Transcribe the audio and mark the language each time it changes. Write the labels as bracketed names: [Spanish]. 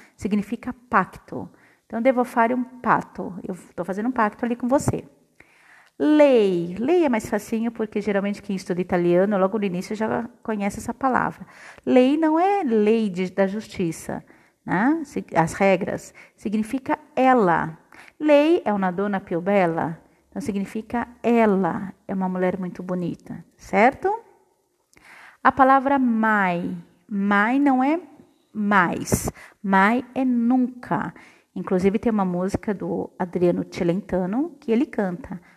[Portuguese] Significa pacto. Então, [Italian] devo fare um pato. [Portuguese] Eu estou fazendo um pacto ali com você. Lei. Lei é mais facinho porque geralmente quem estuda italiano, logo no início, já conhece essa palavra. Lei não é lei da justiça, né? As regras. Significa ela. [Italian] Lei é una donna più bella. [Portuguese] Então significa ela é uma mulher muito bonita, certo? A palavra mai. Mai não é mais. Mai é nunca. Inclusive tem uma música do Adriano Celentano que ele canta.